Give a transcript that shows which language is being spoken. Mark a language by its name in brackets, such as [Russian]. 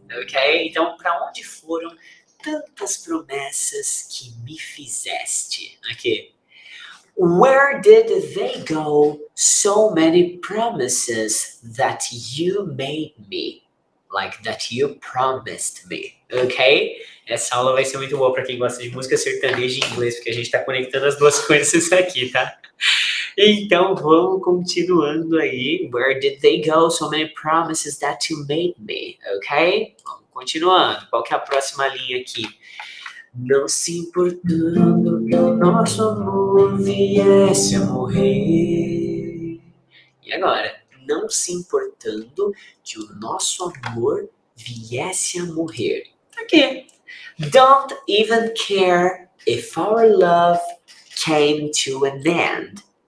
[Portuguese] Ok, então pra onde foram tantas promessas que me fizeste? Aqui. [English] Where did they go, so many promises that you made me? Like that you promised me. Ok? [Portuguese] Essa aula vai ser muito boa para quem gosta de música sertaneja em inglês, porque a gente está conectando as duas coisas aqui, tá? Então, vamos continuando aí. [English] Where did they go, so many promises that you made me? [Portuguese] Ok? Vamos continuando. Qual que é a próxima linha aqui? Não se importando que o nosso amor viesse a morrer. E agora? Não se importando que o nosso amor viesse a morrer. Aqui. [English] don't even care if our love came to an end.